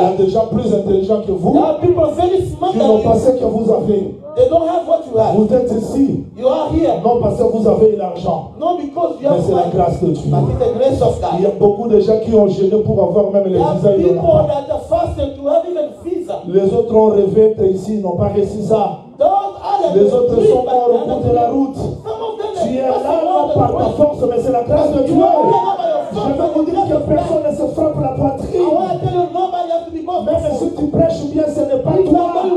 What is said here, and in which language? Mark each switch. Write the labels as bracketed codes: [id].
[fr] Il y a des gens plus intelligents que vous. [en] There are people very smart. [fr] Ils n'ont pas ce que vous avez. [en] They don't have what you have. [fr] Vous êtes ici. [en] You are here. [fr] Non parce que vous avez l'argent. [en] Not because you have [fr] money. Mais c'est la grâce de [en] Dieu. The grace of God. [fr] Il y a beaucoup de gens qui ont gêné pour avoir même les visas. [en] There are people that are fasting to have even visa. [fr] Les autres ont rêvé d'être ici, n'ont pas réussi ça. Les autres sont morts au bout de la route. Tu es là non par ta force, mais c'est la grâce de Dieu. Je veux vous dire que personne ne se frappe la poitrine. Même si tu prêches bien, ce n'est pas toi.